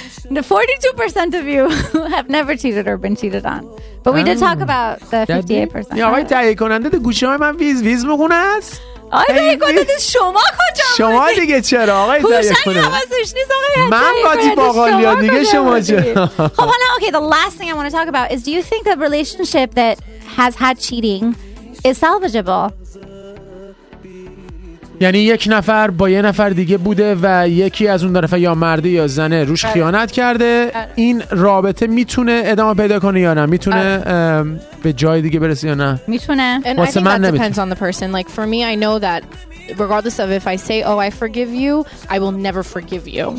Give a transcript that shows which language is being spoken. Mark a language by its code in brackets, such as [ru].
[en] The 42% of you have never cheated or been cheated on. But we did talk about the 58%. [fa] یه آقای تهیه کننده تو گوشه های من ویز ویز میخونه است. آقای تهیه کننده شما کجا بودی؟ شما دیگه چرا آقای تهیه کننده؟ هوشنگ عوضش نیست آقای تهیه کننده. من قاطی باقالی ها دیگه شما چرا؟ خب حالا اوکی [en] the last thing I want to talk about is do you think a relationship that has had cheating is salvageable؟ [fa] یعنی یک نفر با یه نفر دیگه بوده و یکی از اون طرفه یا مرده یا زنه روش خیانت کرده، این رابطه میتونه ادامه پیدا کنه یا نه، میتونه به جای دیگه برسه یا نه؟ میتونه. واسه من نمیتونه. [en] Depends on the person. Like for me I know that regardless of if I say oh I forgive you, I will never forgive you.